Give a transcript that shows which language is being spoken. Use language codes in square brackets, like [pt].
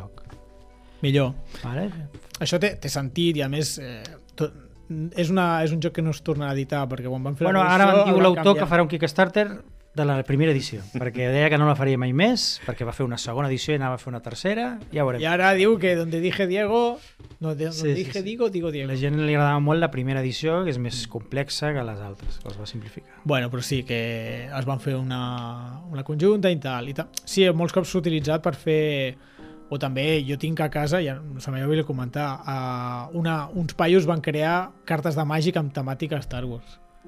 [ca] Joc millor, vale. Això té sentit, i a més és un joc que no es torna a editar, perquè quan van fer bueno, ara van diu l'autor que farà un Kickstarter de la primera edició, perquè deia que no la faria mai més, perquè va fer una segona edició i anava a fer una tercera, ja veurem. I ara diu que [es] donde dije Diego, no, donde sí, dije sí. Digo Diego. [ca] La gent li agradava molt la primera edició, que és més complexa que les altres, que els va simplificar. Bueno, però sí, que es van fer una conjunta i tal, i tal. Sí, molts cops s'ha utilitzat per fer, o també jo tinc a casa, ja se m'ha volgut comentar, uns paios van crear cartes de màgic amb temàtica Star Wars.